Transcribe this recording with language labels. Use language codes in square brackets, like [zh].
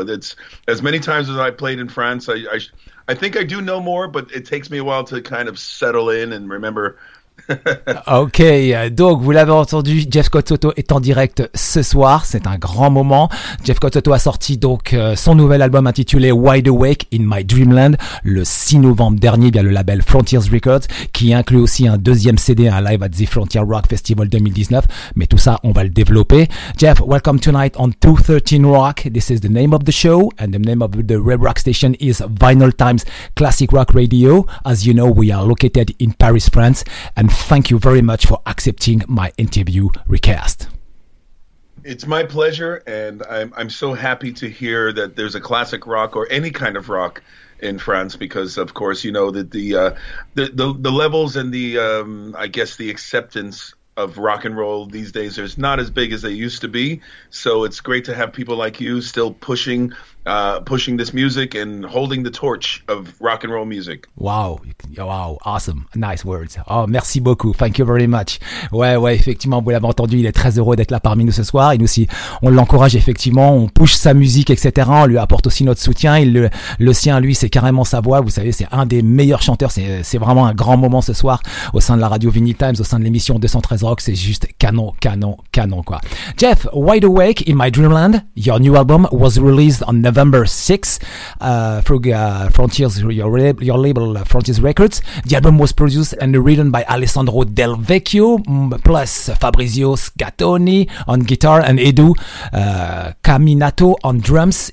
[en] It's as many times as I played in France. I think I do know more, but it takes me a while to kind of settle in and remember. [fr] Ok, donc vous l'avez entendu, Jeff Cott Soto est en direct ce soir, c'est un grand moment. Jeff Cott Soto a sorti donc son nouvel album intitulé Wide Awake in My Dreamland le 6 novembre dernier via le label Frontiers Records, qui inclut aussi un deuxième CD, un live at the Frontier Rock Festival 2019, mais tout ça on va le développer. [en] Jeff, welcome tonight on 213 Rock, this is the name of the show and the name of the web rock station is Vinyl Times Classic Rock Radio. As you know, we are located in Paris, France. And thank you very much for accepting my interview request. It's my pleasure, and I'm so happy to hear that there's a classic rock or any kind of rock in France, because of course you know that the levels and the I guess the acceptance of rock and roll these days is not as big as they used to be. So it's great to have people like you still pushing this music and holding the torch of rock and roll music. Wow, awesome, nice words. [fr] Oh, merci beaucoup, [en] thank you very much. [fr] Ouais, effectivement, vous l'avez entendu, il est très heureux d'être là parmi nous ce soir. Et nous aussi, on l'encourage effectivement, on push sa musique, etc. On lui apporte aussi notre soutien. Le sien, lui, c'est carrément sa voix. Vous savez, c'est un des meilleurs chanteurs. C'est vraiment un grand moment ce soir au sein de la radio Vinyl Times, au sein de l'émission 213 Rock. C'est juste canon, canon, canon, quoi. [en] Jeff, Wide Awake in My Dreamland, your new album was released on November 6th through Frontiers, your label Frontiers Records. The album was produced and written by Alessandro Del Vecchio, plus Fabrizio Scattoni on guitar and Edu Caminato on drums.